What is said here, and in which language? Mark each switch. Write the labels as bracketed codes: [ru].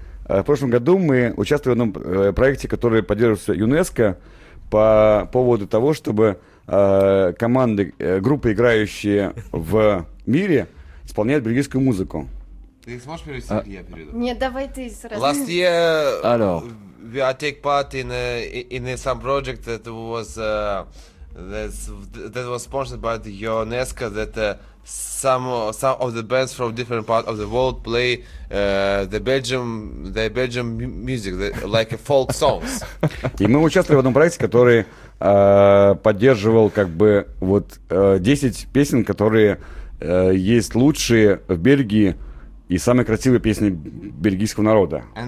[ru] В прошлом году мы участвовали в одном проекте, который поддерживался ЮНЕСКО по поводу того, чтобы команды, группы, играющие в мире, исполняют бельгийскую музыку. Ты сможешь перевести, я перейду? Нет, давай ты сразу. [en] Last year, we take part in some project that was that was sponsored by the ЮНЕСКО, that some of the bands from different part of the world play the Belgian music, like folk songs. [ru] И мы участвовали в одном проекте, который поддерживал как бы вот 10 песен, которые есть лучшие в Бельгии и самые красивые песни бельгийского народа.